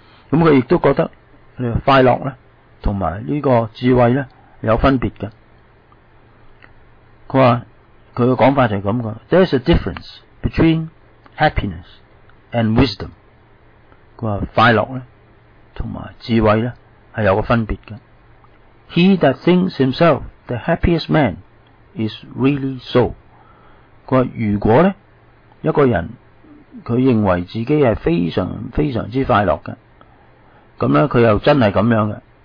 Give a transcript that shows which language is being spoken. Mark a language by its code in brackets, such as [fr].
[yue] 咁佢亦都覺得快樂咧，同埋呢個智慧咧有分別嘅。佢話。佢嘅講法就係咁嘅 [en] ，There's a difference between happiness and wisdom。 [yue] 佢話快樂咧，同埋智慧咧，係有個分別嘅。 [en] He that thinks himself the happiest man is really so。 [yue] 佢话如果咧一个人佢认为自己系非常非常之快乐嘅，咁咧佢又真系咁样嘅。